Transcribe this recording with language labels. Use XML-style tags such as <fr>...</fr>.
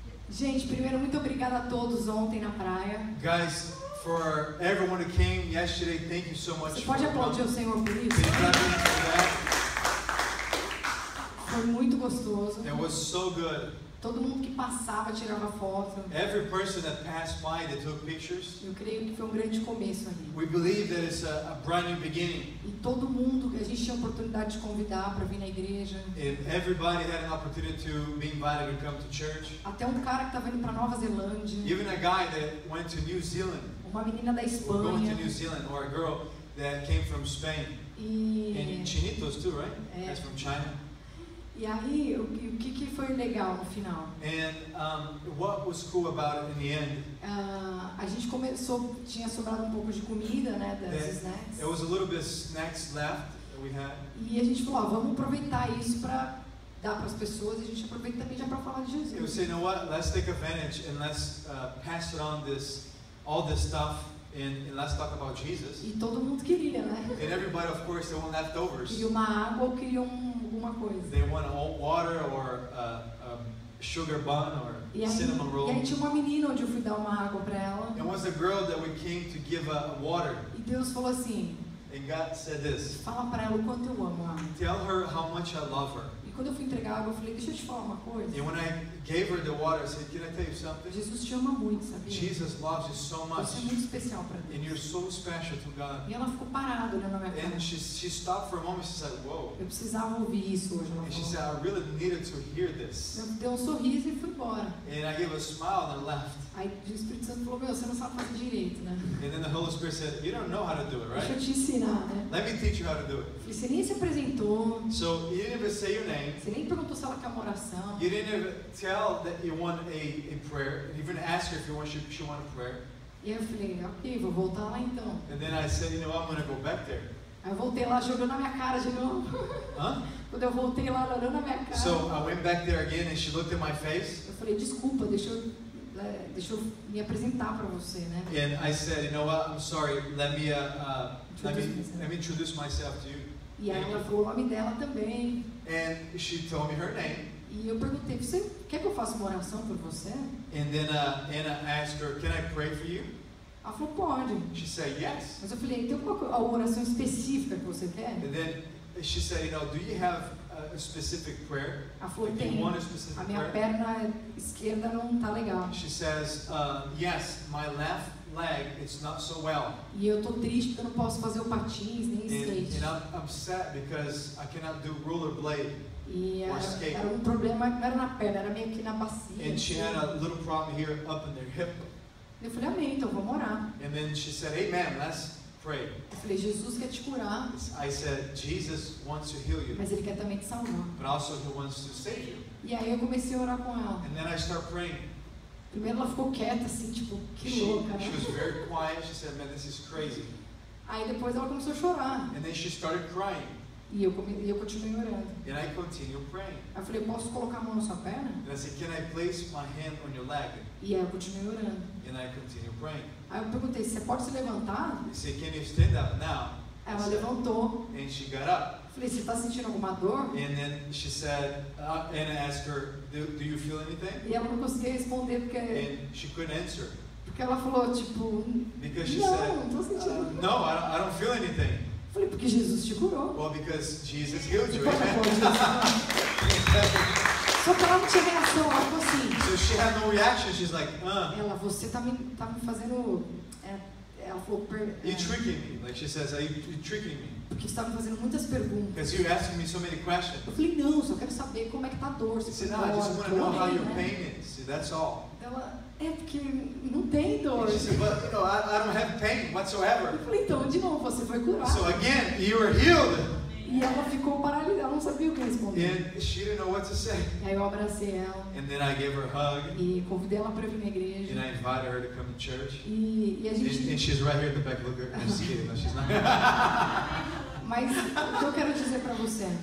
<pt>Gente, primeiro, muito obrigada a todos ontem na praia.</pt> <en>Guys, for everyone who came yesterday, thank you so much.</en> <pt>Você pode aplaudir o Senhor por isso? Foi muito gostoso.</pt> <en>It was so good.</en> <pt>Todo mundo que passava tirava foto.</pt> <en>Every person that passed by, they took pictures.</en> <pt>Eu creio que foi grande começo ali.</pt> <en>We believe that it's a brand new beginning.</en> <pt>E todo mundo, a gente tinha oportunidade de convidar para vir na igreja.</pt> <en>And everybody had an opportunity to be invited to come to church.</en> <pt>Até um cara que estava indo para Nova Zelândia.</pt> <en>Even a guy that went to New Zealand.</en> <pt>Uma menina da Espanha.</pt> <en>Going to New Zealand, or a girl that came from Spain.</en> <pt>E</pt> <en>Chinitos too, right? That's from China.</en> <pt>E aí, o que que foi legal no final?</pt> <en>And what was cool about it in the end?</en> <pt>A gente começou, tinha sobrado um pouco de comida, né, das snacks.</pt> <en>There was a little bit of snacks left that we had.</en> <pt>E a gente falou, vamos aproveitar isso para dar para as pessoas, e a gente aproveita também já para falar de Jesus.</pt> <en>You say, you know what? Let's take advantage and let's pass it on this all this stuff. And let's talk about Jesus.</en> <pt>E todo mundo queria, né?</pt> <en>And everybody, of course, they want leftovers.</en> <pt>Queria uma água ou queria alguma coisa.</pt> <en>They want all water or a sugar bun or cinnamon roll.</en> <pt>E aí tinha uma menina onde eu fui dar uma água para ela.</pt> <en>It was a girl that we came to give a water.</en> <pt>E Deus falou assim.</pt> <en>And God said this.</en> <pt>Fala para ela o quanto eu amo ela.</pt> <en>Tell her how much I love her.</en> <pt>E quando eu fui entregar a água, eu falei, deixa eu te falar uma coisa.</pt> <en>And when I gave her the water, I said, can I tell you something?</en> <pt>Jesus te ama muito, sabia?</pt> <en>Jesus loves you so much.</en> <pt>Você é muito especial para Deus.</pt> <en>And you're so special to God.</en> <pt>E ela ficou parada olhando a minha cara.</pt> <en>And she stopped for a moment and said, whoa.</en> <pt>Eu precisava ouvir isso hoje, ela falou.</pt> <en>And she said, I really needed to hear this.</en> <pt>Eu dei sorriso e fui embora.</pt> <en>And I gave a smile and left.</en> <pt>Aí o Espírito Santo falou, meu, você não sabe fazer direito, né?</pt> <en>And then the Holy Spirit said, you don't know how to do it, right?</en> <pt>Deixa eu te ensinar, né?</pt> <en>Let me teach you how to do it.</en> <pt>Você nem se apresentou.</pt> <en>So you didn't even say your name.</en> <pt>Você nem perguntou se ela quer uma oração.</pt> <en>You didn't even tell that you want a prayer. You even ask her if you want she want a prayer.</en> <pt>E eu falei, ok, vou voltar lá então.</pt> <en>And then I said, you know what, I'm gonna go back there.</en> <pt>Aí eu voltei lá jogando na minha cara de novo. Quando eu voltei lá olhando na minha cara.</pt> <en>So I went back there again and she looked at my face.</en> <pt>Eu falei, desculpa, deixa eu me apresentar para você, né?</pt> <en>And I said, you know what, I'm sorry, let me introduce myself to you.</en> <pt>E aí ela falou o nome dela também.</pt> <en>And she told me her name.</en> <pt>E eu perguntei, você quer que eu faça uma oração por você?</pt> <en>And then Anna asked her, can I pray for you?</en> <pt>Ela falou, pode.</pt> <en>She said, yes.</en> <pt>Mas eu falei, tem alguma oração específica que você quer?</pt> <en>And then she said, you know, do you have a specific prayer?</en> <pt>Ela falou, tem.</pt> <en>You want a specific</en> <pt>a minha</pt> <en>prayer?</en> <pt>Perna esquerda não tá legal.</pt> <en>She says, yes, my left leg, it's not so well.</en> <pt>E eu tô triste porque eu não posso fazer o patins nem skate.</pt> <en>And I'm upset because I cannot do rollerblade or skate.</en> <pt>Era um problema, não era na perna, era meio que na bacia.</pt> <en>And she had a little problem here up in their hip.</en> <pt>Eu falei, amém, então vou orar.</pt> <en>And then she said, amen, let's pray.</en> <pt>Eu falei, Jesus quer te curar.</pt> <en>I said, Jesus wants to heal you.</en> <pt>Mas ele quer também te salvar.</pt> <en>But also he wants to save you.</en> <pt>E aí eu comecei a orar com ela.</pt> <en>And then I start praying.</en> <pt>Primeiro ela ficou quieta assim, tipo, que louca, né?</pt> <en>She was very quiet. She said, man, this is crazy.</en> <pt>Aí depois ela começou a chorar.</pt> <en>And then she started crying.</en> <pt>E eu continuei orando.</pt> <en>And I continue praying.</en> <pt>Eu falei, posso colocar a mão na sua perna?</pt> <en>And I said, can I place my hand on your leg?</en> <pt>E eu continuei orando.</pt> <en>And I continue praying.</en> <pt>Aí eu perguntei, você pode se levantar?</pt> <en>He said, can you stand up now?</en> <pt>Ela levantou.</pt> <en>And she got up.</en> <pt>Falei, você está sentindo alguma dor?</pt> <en>And then she said, and I asked her, do you feel anything?</en> <pt>E ela não conseguia responder porque.</pt> <en>And she couldn't answer.</en> <pt>Porque ela falou tipo,</pt> <en>because she</en> <pt>não,</pt> <en>said,</en> <pt>não estou sentindo.</pt> <en>No, I don't feel anything.</en> <pt>Falei, porque Jesus te curou.</pt> <en>Well, because Jesus healed you.</en> <pt>Só que ela não tinha reação, ela falou assim.</pt> <en>So she had no reaction. She's like,</en> <pt>Ela, você tá me fazendo. Ela falou,</pt> <en>you're tricking me. Like she says, are you tricking me?</en> <pt>Porque você está me fazendo muitas perguntas.</pt> <en>Because you're asking me so many questions.</en> <pt>Eu falei, não, só quero saber como é que tá a dor. Você</pt> <en>não, I just want to know how your pain is. That's all.</en> <pt>Ela, é porque não tem dor.</pt> <en>She said, but, you know, I don't have pain whatsoever.</en> <pt>Eu falei, então, de novo, você foi curado.</pt> <en>So again, you were healed.</en> <pt>E ela ficou paralisada, ela não sabia o que responder.</pt> <en>And she didn't know what to say.</en> <pt>E aí eu abracei ela.</pt> <en>And then I gave her a hug.</en> <pt>E convidei ela para vir na igreja.</pt> <en>And I invited her to come to church.</en> <pt>E a gente.</pt> <en>And she's right here in the back looking. I see it, but she's not.</en> <pt>Mas o que eu quero dizer para você?</pt>